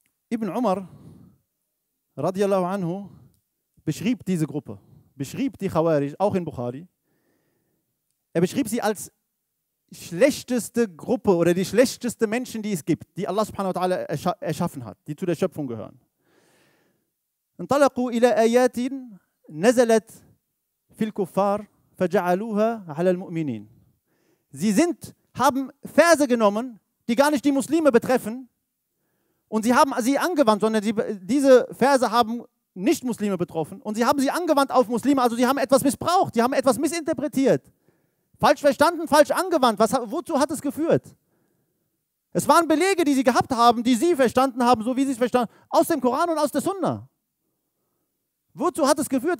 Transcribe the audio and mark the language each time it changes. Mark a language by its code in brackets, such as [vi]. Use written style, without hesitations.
[de] Ibn Umar, [ar] radiallahu anhu, [de] beschrieb diese Gruppe, beschrieb die Khawarij, auch in Bukhari. Er beschrieb sie als schlechteste Gruppe oder die schlechteste Menschen, die es gibt, die Allah [ar] subhanahu wa ta'ala [de] erschaffen hat, die zu der Schöpfung gehören. [ar] انطلقوا إلى آيات نزلت في الكفار فجعلوها على المؤمنين. [de] Sie haben Verse genommen, die gar nicht die Muslime betreffen, und sie haben sie angewandt, sondern diese Verse haben Nicht-Muslime betroffen und sie haben sie angewandt auf Muslime, also sie haben etwas missbraucht, sie haben etwas missinterpretiert. Falsch verstanden, falsch angewandt. Wozu hat es geführt? Es waren Belege, die sie gehabt haben, die sie verstanden haben, so wie sie es verstanden haben, aus dem Koran und aus der Sunna. Wozu hat es geführt?